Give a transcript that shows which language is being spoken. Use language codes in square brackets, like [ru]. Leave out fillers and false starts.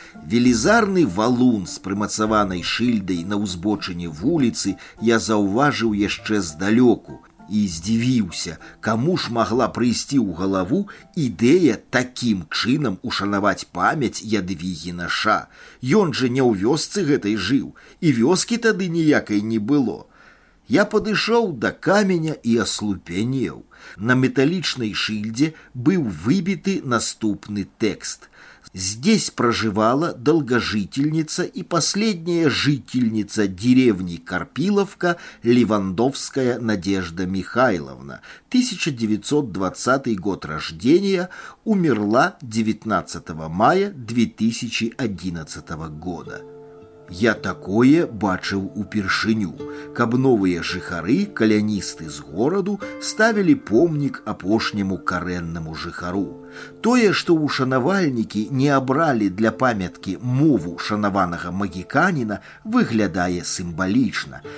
[be] Велізарны валун з прымацаванай шыльдай на ўзбочыне вуліцы я заўважыў яшчэ здалёку і здзівіўся, каму ж магла прыйсці ў галаву ідэя такім чынам ушанаваць памяць Ядвігіна Ша. Ён жа не ў вёсцы гэтай жыў, і вёскі тады ніякай не было. Я падышоў да каменя і аслупянеў. На металічнай шыльдзе быў выбіты наступны тэкст. [ru] Здесь проживала долгожительница и последняя жительница деревни Карпиловка Левандовская Надежда Михайловна, 1920 год рождения, умерла 19 мая 2011 года. [be] Я такое бачыў упершыню, каб новыя жыхары, каляністы з гораду, ставілі помнік апошняму карэннаму жыхару. Тое, што ўшанавальнікі не абралі для памяткі мову шанаванага магіканіна, выглядае сімвалічна.